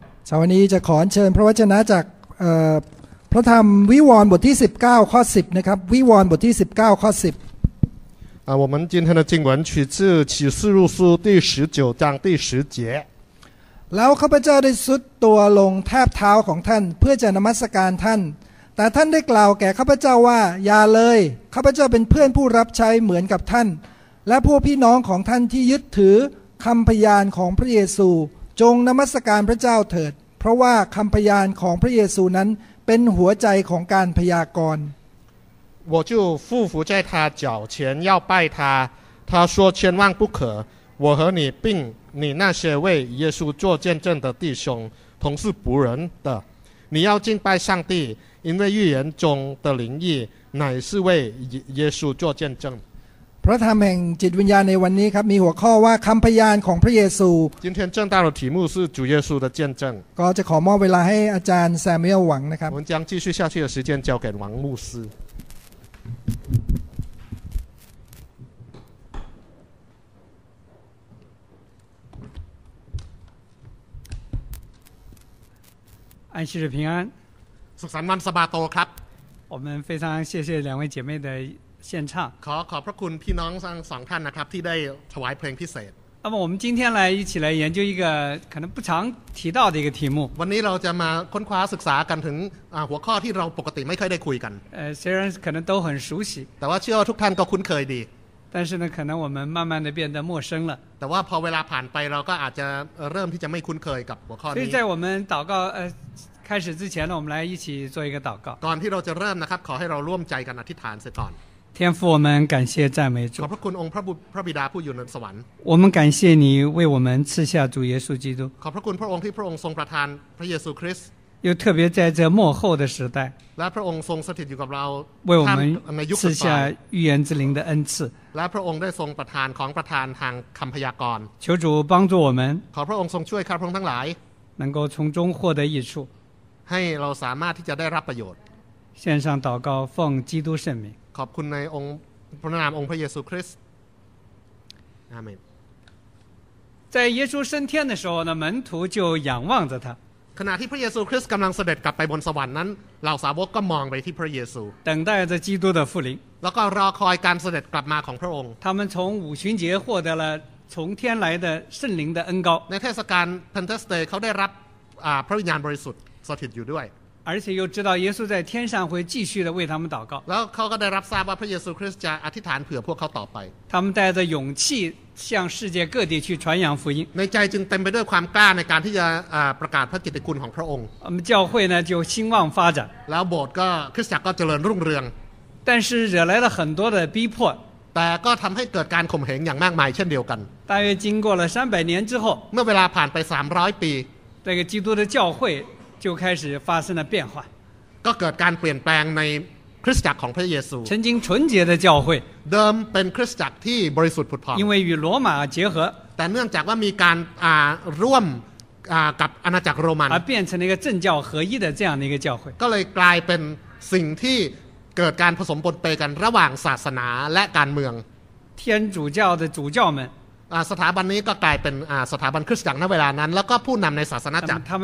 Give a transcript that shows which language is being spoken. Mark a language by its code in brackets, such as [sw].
[th] เช้าวันนี้จะขอเชิญพระวจนะจากพระธรรมวิวรณ์บทที่19ข้อ10นะครับวิวรณ์บทที่19ข้อ10 [zh] 我们今天的经文取自启示录书第19章第10节 [th] แล้วข้าพเจ้าได้ทรุดตัวลงแทบเท้าของท่านเพื่อจะนมัสการท่านแต่ท่านได้กล่าวแก่ข้าพเจ้าว่าอย่าเลยข้าพเจ้าเป็นเพื่อนผู้รับใช้เหมือนกับท่านและพวกพี่น้องของท่านที่ยึดถือคำพยานของพระเยซูจงนมัสการพระเจ้าเถิดเพราะว่าคำพยานของพระเยซูนั้นเป็นหัวใจของการพยากรณ์ [zh] 我就俯伏在他脚前要拜他他说千万不可我和你并你那些为耶稣做见证的弟兄同是仆人的你要敬拜上帝因为预言中的灵意乃是为耶稣做见证 [th] พระธรรมแห่งจิตวิญญาณในวันนี้ครับมีหัวข้อว่าคำพยานของพระเยซู [zh] 今天正大的题目是主耶稣的见证 [th] ก็จะขอมอบเวลาให้อาจารย์แซมเอลหวังนะครับ [zh] 我们将继续下去的时间交给王牧师安息日平安 [th] สุขสันต์วันสะบาโตครับ [zh] 我们非常谢谢两位姐妹的献唱 [th] ขอขอบพระคุณพี่น้องทั้งสองท่านนะครับที่ได้ถวายเพลงพิเศษ [zh] 那么我们今天来一起来研究一个可能不常提到的一个题目 [th] วันนี้เราจะมาค้นคว้าศึกษากันถึงหัวข้อที่เราปกติไม่ค่อยได้คุยกัน [zh] 虽然可能都很熟悉 [th] แต่ว่าเชื่อว่าทุกท่านก็คุ้นเคยดี [zh] 但是呢可能我们慢慢的变得陌生了 [th] แต่ว่าพอเวลาผ่านไปเราก็อาจจะเริ่มที่จะไม่คุ้นเคยกับหัวข้อนี้ [zh] 所以在我们祷告开始之前呢我们来一起做一个祷告 [th] ก่อนที่เราจะเริ่มนะครับขอให้เราร่วมใจกันอธิษฐานเสียก่อน [zh] 天父我们感谢赞美主 [th] ขอบพระคุณองค์พระบิดาผู้อยู่ในสวรรค์ [zh] 我们感谢你为我们赐下主耶稣基督 [th] ขอบพระคุณพระองค์ที่พระองค์ทรงประทานพระเยซูคริสต์ [zh] 又特别在这末后的时代 [th] และพระองค์ทรงสถิตอยู่กับเรา [zh] 为我们赐下预言之灵的恩赐 [th] และพระองค์ได้ทรงประทานของประทานทางคำพยากรณ์ [zh] 求主帮助我们 [th] ขอบพระองค์ทรงช่วยข้าพระองค์ทั้งหลาย [zh] 能够从中获得益处 [th] ให้เราสามารถที่จะได้รับประโยชน์ [zh] 献上祷告奉基督圣名 [th] ขอบคุณในองค์พระนามองค์พระเยซูคริสต์อาเมน [zh] 在耶稣升天的时候呢门徒就仰望着他 [th] ขณะที่พระเยซูคริสต์กำลังเสด็จกลับไปบนสวรรค์นั้นเหล่าสาวกก็มองไปที่พระเยซู [zh] 等待着基督的复临 [th] แล้วก็รอคอยการเสด็จกลับมาของพระองค์ [zh] 他们从五旬节获得了从天来的圣灵的恩膏 [th] ในเทศกาลเพนเทสเตเขาได้รับพระวิญญาณบริสุทธิ์สถิตอยู่ด้วย [zh] 而且又知道耶稣在天上会继续的为他们祷告 [th] แล้วเขาก็ได้รับทราบว่าพระเยซูคริสต์จะอธิษฐานเผื่อพวกเขาต่อไป [zh] 他们带着勇气向世界各地去传扬福音 [th] ในใจจึงเต็มไปด้วยความกล้าในการที่จะประกาศพระกิตติคุณของพระองค์ [zh] 教会呢就兴旺发展 [th] แล้วโบสถ์ก็คริสตจักรก็เจริญรุ่งเรือง [zh] 但是惹来了很多的逼迫 [th] แต่ก็ทำให้เกิดการข่มเหงอย่างมากมายเช่นเดียวกัน [zh] 大约经过了300年之后 [th] เมื่อเวลาผ่านไป300ปี [zh] 这个基督的教会就开始发生了变化 [th] ก็เกิดการเปลี่ยนแปลงในคริสตจักรของพระเยซู [zh] 曾经纯洁的教会 [th] เดิมเป็นคริสตจักรที่บริสุทธิ์ผุดผ่อง [zh] 因为与罗马结合 [th] แต่เนื่องจากว่ามีการร่วมกับอาณาจักรโรมัน [zh] 而变成了一个政教合一的这样的一个教会 [th] ก็เลยกลายเป็นสิ่งที่เกิดการผสมปนเปกันระหว่างศาสนาและการเมือง [zh] 天主教的主教们 [th] สถาบันนี้ก็กลายเป็นสถาบันคริสตจักรณเวลานั้นแล้วก็ผู้นำในศาสนาจักร